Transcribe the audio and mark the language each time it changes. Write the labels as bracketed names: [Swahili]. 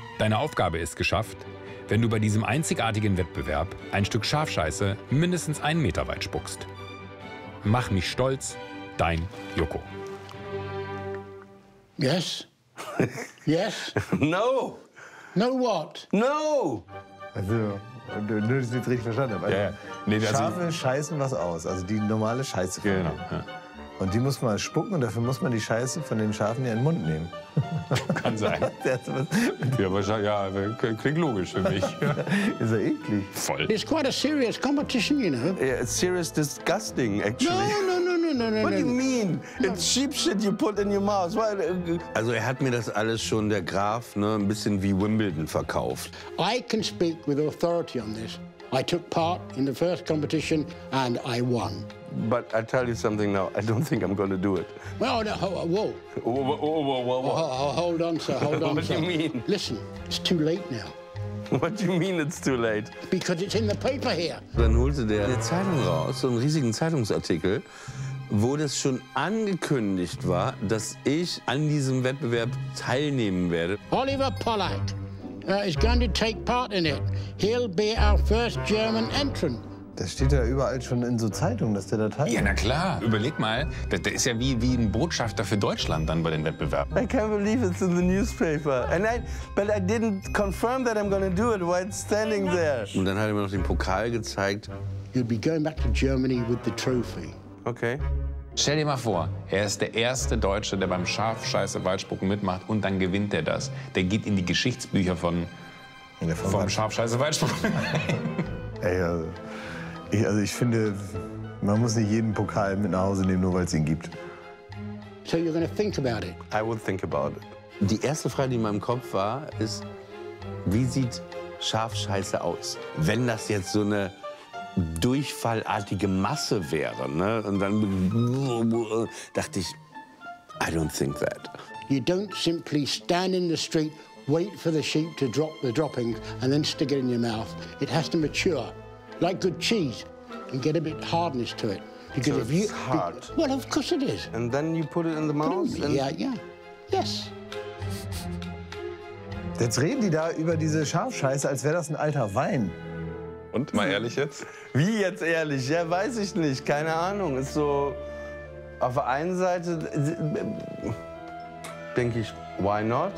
[German] Deine Aufgabe ist geschafft, wenn du bei diesem einzigartigen Wettbewerb ein Stück Schafscheiße mindestens einen Meter weit spuckst. Mach mich stolz, dein Yuko. [English] Yes? Yes? No! No what? No! [German] Also, du hast es nicht richtig verstanden. Ja, nee, also Schafe scheißen was aus, also die normale Scheiße. Genau, ja. Und die muss man spucken und dafür muss man die Scheiße von den Schafen ja in den Mund nehmen. Kann sein. klingt logisch für mich. Ist ja eklig. Voll. [English] It's quite a serious competition, you know. Yeah, it's serious disgusting, actually. No, what do you mean? It's sheep shit you put in your mouth. Why? [German] Also er hat mir das alles schon, der Graf, ne, ein bisschen wie Wimbledon verkauft. [English] I can speak with authority on this. I took part in the first competition and I won. But I tell you something now, I don't think I'm going to do it. Well, no, hold on, sir, hold on, What do you mean? Listen, it's too late now. What do you mean it's too late? Because it's in the paper here. [German] Dann holte der eine Zeitung raus, so einen riesigen Zeitungsartikel, wo das schon angekündigt war, dass ich an diesem Wettbewerb teilnehmen werde. [English] Oliver Polak is going to take part in it. He'll be our first German entrant. [German] Das steht ja überall schon in so Zeitungen, dass der da teilnimmt. Ja, na klar. Überleg mal, der ist ja wie ein Botschafter für Deutschland dann bei den Wettbewerben. [English] I can't believe it's in the newspaper. And I didn't confirm that I'm going to do it while it's standing there. [German] Und dann hat er mir noch den Pokal gezeigt. [English] You'll be going back to Germany with the trophy. Okay. [German] Stell dir mal vor, er ist der erste Deutsche, der beim Schafscheiße-Waldspucken mitmacht und dann gewinnt er das. Der geht in die Geschichtsbücher vom Schafscheiße-Waldspucken. Ey, ich finde, man muss nicht jeden Pokal mit nach Hause nehmen, nur weil es ihn gibt. [English] So you're gonna think about it? I would think about it. [German] Die erste Frage, die in meinem Kopf war, ist, wie sieht Schafscheiße aus, wenn das jetzt so eine durchfallartige Masse wäre, ne? Und dann dachte ich, [English] I don't think that. You don't simply stand in the street, wait for the sheep to drop the droppings and then stick it in your mouth. It has to mature, like good cheese, and get a bit hardness to it. Because so it's hard. Well, of course it is. And then you put it in the mouth? Yeah, yeah. Yes. [German] Jetzt reden die da über diese Schafscheiße, als wäre das ein alter Wein. Und, mal ehrlich jetzt? Wie jetzt ehrlich? Ja, weiß ich nicht. Keine Ahnung. Ist so, auf der einen Seite denke ich, [English] why not?